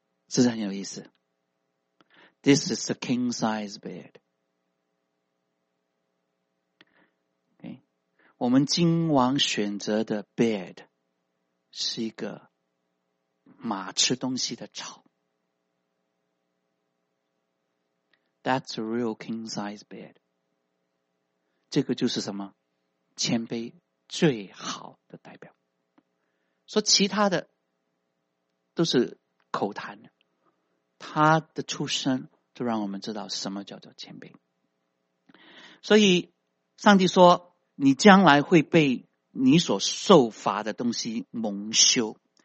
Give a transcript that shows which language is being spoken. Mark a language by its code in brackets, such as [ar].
[zh] 是很有意思。 [en] This is a king size bed. Okay. [zh] 我们君王选择的 bed 是一个马吃东西的草。 [en] That's a real king size bed. [zh] 这个就是什么？谦卑最好的代表。说其他的都是口谈，他的出生就让我们知道什么叫做谦卑。所以上帝说，你将来会被你所受罚的东西蒙羞。